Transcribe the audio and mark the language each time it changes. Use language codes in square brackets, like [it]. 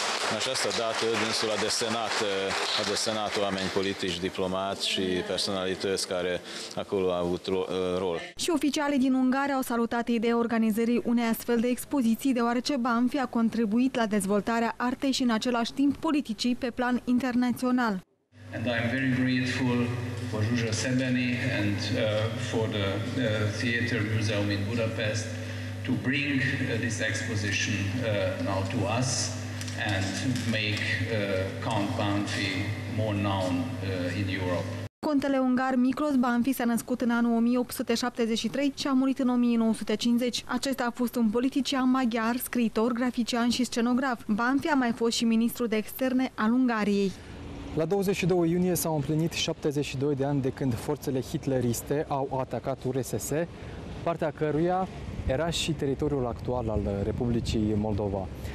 [ro] În această dată, dânsul a desenat oameni politici, diplomați și personalități care acolo au avut rol. Și oficialii din Ungaria au salutat ideea organizării unei astfel de expoziții, deoarece Banfi a contribuit la dezvoltarea artei și în același timp politicii pe plan internațional. [en] And I'm very grateful for Zsuzsa Szebeni and for the Theater Museum in Budapest to bring this exposition now to us and make Count Banfi more known in Europe. [ro] Contele ungar Miklós Banfi s-a născut în anul 1873 și a murit în 1950. Acesta a fost un politician maghiar, scriitor, grafician și scenograf. Banfi a mai fost și ministru de externe al Ungariei. La 22 iunie s-au împlinit 72 de ani de când forțele hitleriste au atacat URSS, partea căruia era și teritoriul actual al Republicii Moldova.